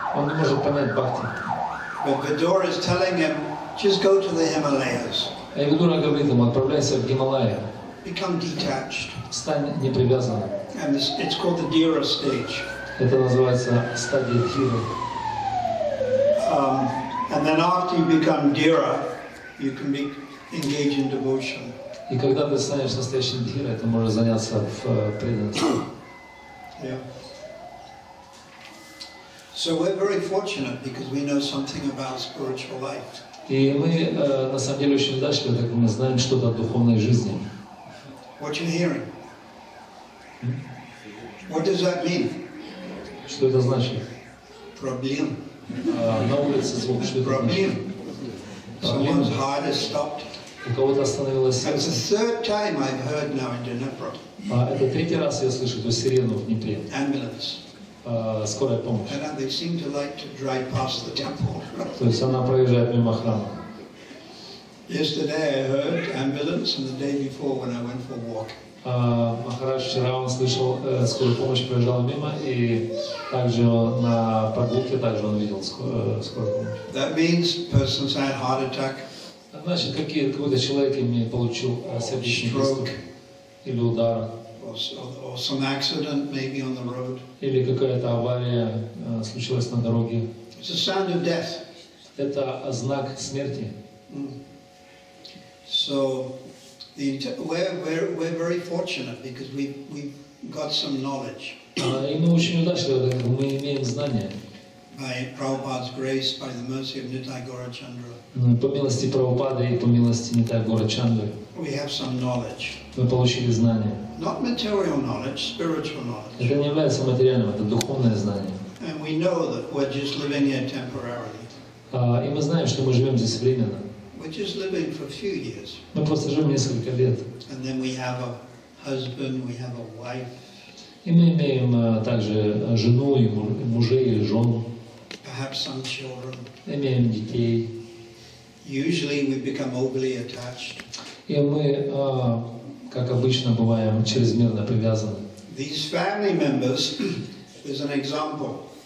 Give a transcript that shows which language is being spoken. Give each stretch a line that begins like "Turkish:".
Russian: Он не может понять бхакти.
English: But Vidura is telling him, just go to the Himalayas.
Russian: А Ведура говорит ему, отправляйся в Гималаи.
English: Become detached.
Russian: Стань непривязанным.
English: And it's called the Dhira stage.
Russian: Это называется стадия Дхиры.
English: And then after you become Dhira, you can be engaged in devotion.
Russian: И когда ты станешь настоящим Дхира, ты можешь заняться в преданности.
English: So we're very fortunate because we know something about spiritual life.
Russian: И мы на самом деле очень удачливы, так как мы знаем что-то о духовной жизни.
English: What you hearing? What does that mean?
Russian: Что это значит?
English: Problem.
Russian: На улице звук, что это
English: problem. Someone's heart has stopped.
Russian: У кого-то остановилось сердце.
English: That's the third time I've heard now in Dnipro.
Russian: Это третий раз я слышу эту сирену в Днепре.
English: Ambulance.
Russian: Скорая помощь.
English: And they seem to like to drive past the temple.
Russian: То есть она проезжает мимо храма.
English: Yesterday I heard ambulance, and the day before when I went for a walk.
Russian: Махарадж вчера он слышал скорую помощь проезжала мимо, и также на прогулке также он видел скорую помощь.
English: That means person's had heart attack.
Russian: Значит, какой-то человек имеет получил сердечный приступ или удар.
English: Or some accident maybe on the road.
Russian: Или какая-то авария случилась на дороге.
English: It's a sign of death.
Russian: Это знак смерти.
English: So we're very fortunate because we've got some knowledge.
Russian: И мы очень удачливы, так как мы имеем знания.
English: By Prabhupada's grace, by the mercy of Nitai Gaurachandra.
Russian: По милости Прабхупады и по милости Нитай Гаурачандры.
English: We have some knowledge.
Russian: Мы получили знания.
English: Not material knowledge, spiritual knowledge.
Russian: Это не является материальным, это духовное знание.
English: And we know that we're just living here temporarily.
Russian: И мы знаем, что мы живем здесь временно.
English: We're just living for a few years.
Russian: Мы просто живем несколько лет.
English: And then we have a husband, we have a wife.
Russian: И мы имеем также жену и мужей и жен.
English: Perhaps some children.
Russian: Имеем детей.
English: Usually we become overly attached.
Russian: И мы, как обычно, бываем чрезмерно привязаны.
English: These family members is an example.